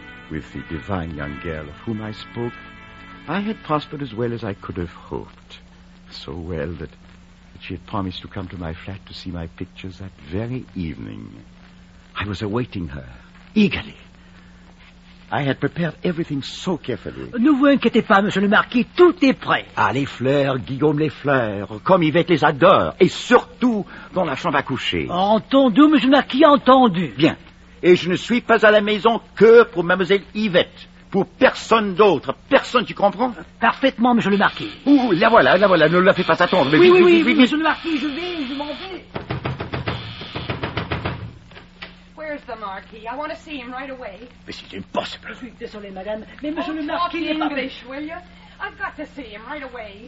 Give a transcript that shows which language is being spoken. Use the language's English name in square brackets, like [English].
[English] With the divine young girl of whom I spoke, I had prospered as well as I could have hoped. So well that she had promised to come to my flat to see my pictures that very evening. I was awaiting her, eagerly. I had prepared everything so carefully. [French] Ne vous inquiétez pas, monsieur le marquis, tout est prêt. Ah, les fleurs, Guillaume, les fleurs, comme Yvette les adore, et surtout dans la chambre à coucher. Entendu, monsieur le marquis, entendu. Bien, et je ne suis pas à la maison que pour mademoiselle Yvette, pour personne d'autre, personne, tu comprends? Parfaitement, monsieur le marquis. Ouh, la voilà, ne la fais pas attendre. Mais oui, monsieur le marquis, je vais, je m'en vais. [English] Where's the Marquis? I want to see him right away. [French] Mais c'est impossible. Je suis désolée, madame. Mais monsieur le Marquis... [English] Oh, talk English, will you? I've got to see him right away.